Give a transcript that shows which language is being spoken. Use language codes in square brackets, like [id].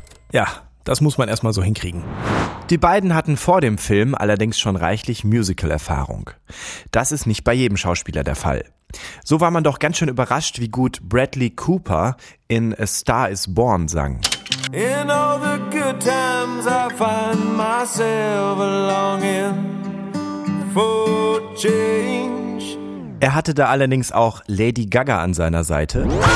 [de] Ja, das muss man erstmal so hinkriegen. Die beiden hatten vor dem Film allerdings schon reichlich Musical-Erfahrung. Das ist nicht bei jedem Schauspieler der Fall. So war man doch ganz schön überrascht, wie gut Bradley Cooper in A Star Is Born sang. [en] In all the good times I find myself longing for change. [de] Er hatte da allerdings auch Lady Gaga an seiner Seite.